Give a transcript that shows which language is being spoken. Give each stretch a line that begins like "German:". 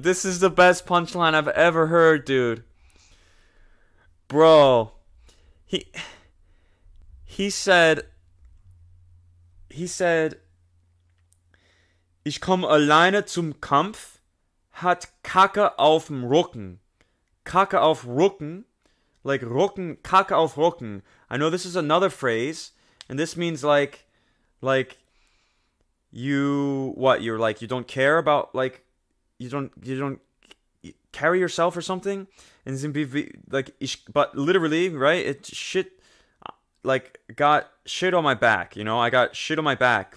English: This is the best punchline I've ever heard, dude. Bro. He said,
German: ich komme alleine zum Kampf, hat Kacke auf dem Rücken. Kacke auf Rücken. Like, Rücken, Kacke auf Rücken.
English: I know this is another phrase, and this means, like, you, what, you're like, you don't care about, like, you don't carry yourself or something? And Zimbabwe, like, ich, but literally, right, it's shit, like, got shit on my back, you know? I got shit on my back.